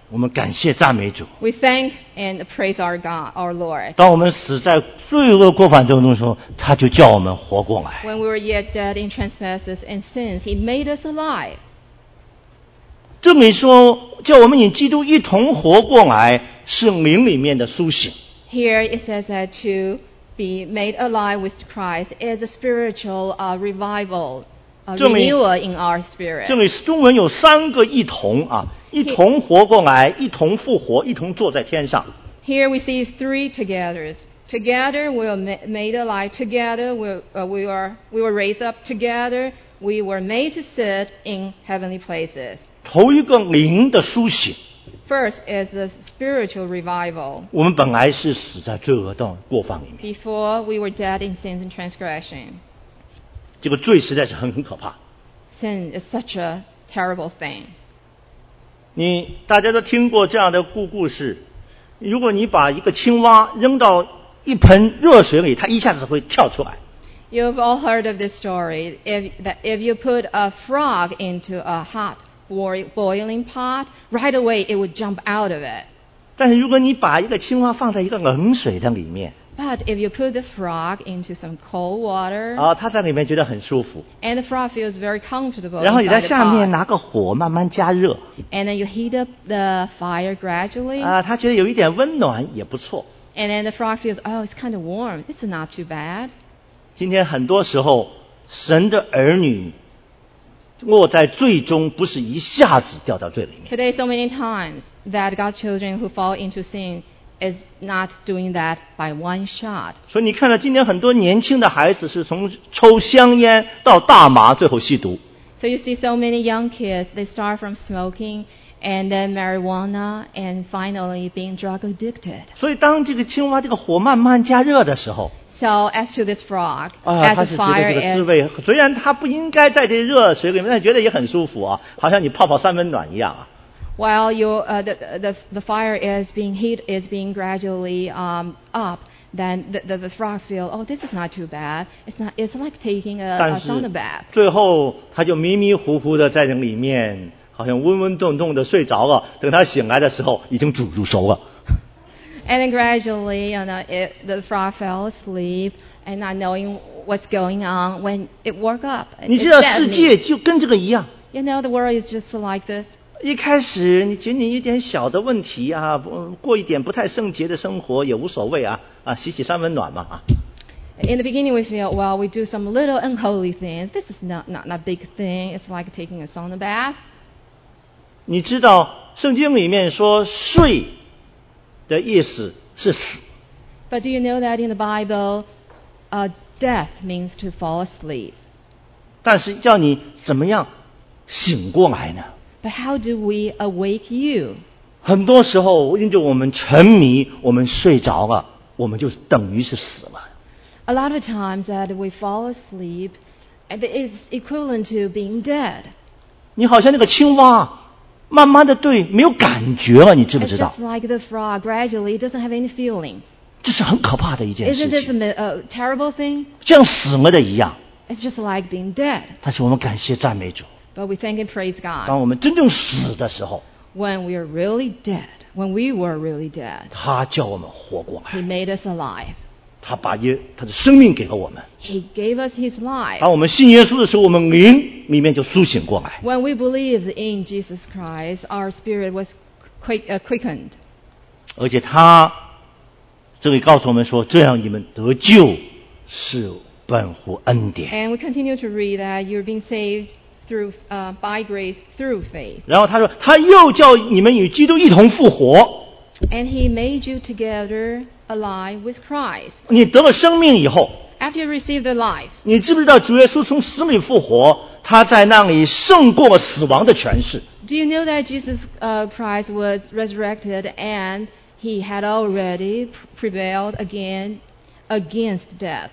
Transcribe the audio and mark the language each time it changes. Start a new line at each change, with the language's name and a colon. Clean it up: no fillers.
Chinese: 我们感谢赞美主。
English: We thank and praise our God, our Lord.
Chinese: 当我们死在罪恶过犯当中的时候，他就叫我们活过来。
English: When we were yet dead in trespasses and sins, he made us alive.
Chinese: 这里说叫我们与基督一同活过来，是灵里面的苏醒。
English: Here it says that to be made alive with Christ is a spiritual revival, a renewal in our spirit.
Chinese: 这里中文有三个一同啊，一同活过来，一同复活，一同坐在天上。
English: Here we see three togethers. Together we were made alive. Together we were raised up. Together we were made to sit in heavenly places.
Chinese: 头一个灵的苏醒。
English: First is the spiritual revival.
Chinese: 我们本来是死在罪恶的过犯里面。
English: Before we were dead in sins and transgression.
Chinese: 这个罪实在是很可怕。
English: Sin is such a terrible thing.
Chinese: 你大家都听过这样的故事，如果你把一个青蛙扔到一盆热水里，它一下子会跳出来。
English: You've all heard of this story. If you put a frog into a hot boiling pot, right away it would jump out of it.
Chinese: 但是如果你把一个青蛙放在一个冷水的里面，
English: But if you put the frog into some cold water,
Chinese: 啊，它在里面觉得很舒服。
English: And the frog feels very comfortable.
Chinese: 然后你在下面拿个火慢慢加热。
English: And then you heat up the fire gradually.
Chinese: 啊，它觉得有一点温暖也不错。
English: And then the frog feels, oh, it's kind of warm. It's not too bad.
Chinese: 今天很多时候，神的儿女落在最终不是一下子掉到罪里面。
English: Today, so many times that God's children who fall into sin is not doing that by one shot.
Chinese: 所以你看到今天很多年轻的孩子是从抽香烟到大麻，最后吸毒。
English: So you see so many young kids, they start from smoking and then marijuana and finally being drug addicted.
Chinese: 所以当这个青蛙这个火慢慢加热的时候。
English: So as to this frog, 啊， as
Chinese: 他是觉得这个滋味，虽然他不应该在这热水里面，但觉得也很舒服啊，好像你泡泡三分暖一样啊。
English: While you the fire is being heat is being gradually up, then the frog feel, oh, this is not too bad. It's not. It's like taking a sauna bath.
Chinese: 最后他就迷迷糊糊的在那里面，好像温温洞洞的睡着了。等他醒来的时候，已经煮熟了。
English: And then gradually, you know, the frog fell asleep and not knowing what's going on when it woke up.
Chinese: 你知道世界就跟这个一样。
English: You know, the world is just like this.
Chinese: 一开始你觉得你一点小的问题啊，过一点不太圣洁的生活也无所谓啊，啊，洗洗三分暖嘛啊。
English: In the beginning, we feel, well, we do some little unholy things. This is not big thing. It's like taking a sauna bath.
Chinese: 你知道圣经里面说睡的意思是死。
English: But do you know that in the Bible, death means to fall asleep?
Chinese: 但是叫你怎么样醒过来呢？
English: But how do we awake you?
Chinese: 很多时候，因着我们沉迷，我们睡着了，我们就等于是死了。
English: A lot of times that we fall asleep, it is equivalent to being dead.
Chinese: 你好像那个青蛙。慢慢的对没有感觉了，你知不知道？
English: It's just like the frog, gradually it doesn't have any feeling.
Chinese: 这是很可怕的一件事情。
English: Isn't this a terrible thing?
Chinese: 像死了的一样。
English: It's just like being dead.
Chinese: 但是我们感谢赞美主。
English: But we thank and praise God.
Chinese: 当我们真正死的时候。
English: When we are really dead, when we were really dead.
Chinese: 他叫我们活过来。
English: He made us alive.
Chinese: 他把他的生命给了我们。
English: He gave us his life.
Chinese: 当我们信耶稣的时候，我们灵里面就苏醒过来。
English: When we believed in Jesus Christ, our spirit was quickened.
Chinese: 而且他这里告诉我们说，这样你们得救是本乎恩典。
English: And we continue to read that you're being saved through by grace through faith.
Chinese: 然后他说，他又叫你们与基督一同复活。
English: And he made you together alive with Christ.
Chinese: 你得了生命以后。
English: After you receive the life.
Chinese: 你知不知道主耶稣从死里复活？他在那里胜过死亡的权势。
English: Do you know that Jesus Christ was resurrected and he had already prevailed against death?